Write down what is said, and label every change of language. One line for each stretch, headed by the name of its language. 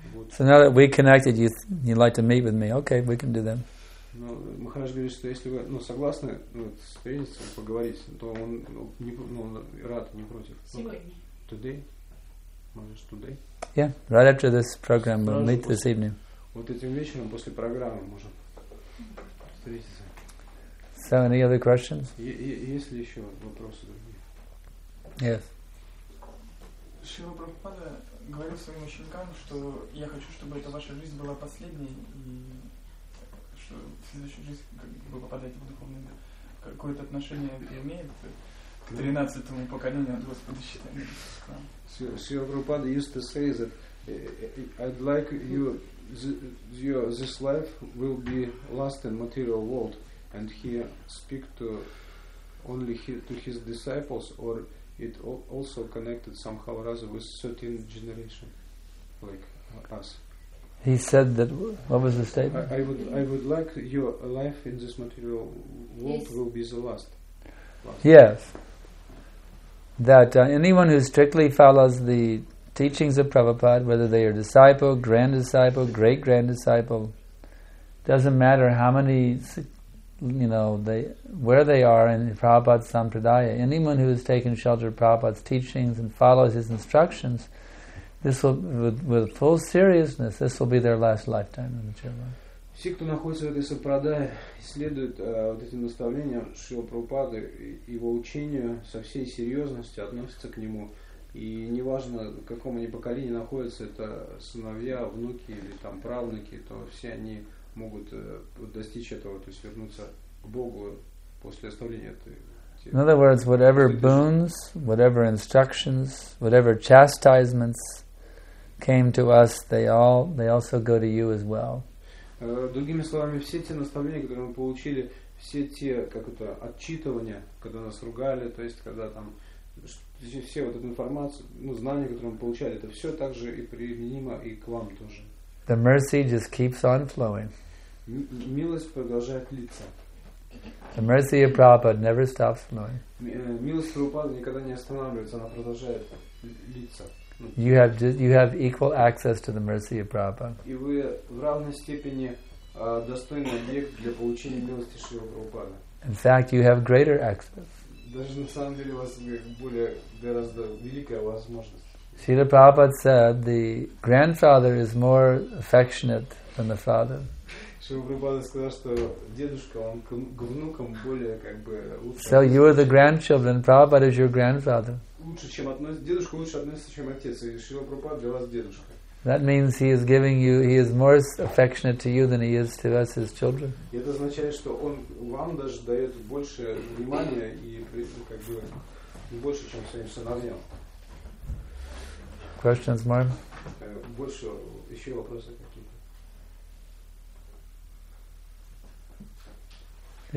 English: So now that we connected, you'd like to meet with me? Okay, we can do that.
Russian: No, Maharaj говорит, что если вы, ну, согласны, ну, встретиться, поговорить, то он, ну, рад, не против. Сегодня.
English: Today.
Russian: Можешь
English: today? Yeah, right after this program, we'll meet this evening.
Russian: Вот этим вечером после программы можем встретиться.
English: So, any other questions?
Russian: Есть ли еще вопросы другие?
English: Yes.
Russian: Шрила Прабхупада говорил своим ученикам, что я хочу, чтобы эта ваша жизнь была последней, и что в следующую жизнь, как вы попадаете в духовный мир, какое-то отношение это имеет к 13-му поколению от Господа Шитамира.
English: Шрила Прабхупада used to say that I'd like you, this life will be last in material world, and he speak to only to his disciples, or it also connected somehow or other with 13 generation, like us. He said that, what was the statement? I would like your life in this material world will be the last. Yes. That anyone who strictly follows the teachings of Prabhupada, whether they are disciple, grand disciple, great grand disciple, doesn't matter how many, you know, they where they are in Prabhupada's Sampradaya, anyone who has taken shelter of Prabhupada's teachings and follows his instructions, this will, with full seriousness, this will be their last lifetime in the material world.
Russian: Все, кто находится в этой Сампрадае, следует вот этим наставлениям Шрила Прабхупады, его учению со всей серьезностью, относятся к нему. И неважно, в каком они поколении находятся, это сыновья, внуки или там правнуки, то все они могут достичь этого, то есть вернуться к Богу после оставления этой.
English: In other words, whatever boons, whatever instructions, whatever chastisements came to us, they also go to you as well.
Russian: Другими словами, все те наставления, которые мы получили, все те, как это, отчитывания, когда нас ругали, то есть когда там все вот эту информацию, ну, знания, которые мы получали, это все также и применимо и к вам тоже.
English: The mercy just keeps on flowing.
Russian: Милость продолжает литься.
English: The mercy of Prabhupada never stops flowing.
Russian: Милость Прабхупады никогда не останавливается, она продолжает литься.
English: You have equal access to the mercy of Prabhupada.
Russian: И вы в равной степени достойный объект для получения милости Шрилы Прабхупады.
English: In fact, you have greater access.
Russian: Даже на самом деле у вас более гораздо великая возможность.
English: Шрила Прабхупада said the grandfather is more affectionate than the father.
Russian: Шрила Прабхупада сказал, что дедушка он к внукам более как бы лучше.
English: So you are the grandchildren. Prabhupada is your grandfather.
Russian: Лучше чем дедушка лучше относится, чем отец. И Шрила Прабхупада для вас дедушка.
English: That means he is giving you, he is more affectionate to you than he is to us, his children.
Russian: Это означает, что он вам даже дает больше внимания и как бы больше, чем своим сыновьям.
English: Questions, Mark?
Russian: Больше еще вопросы какие-то?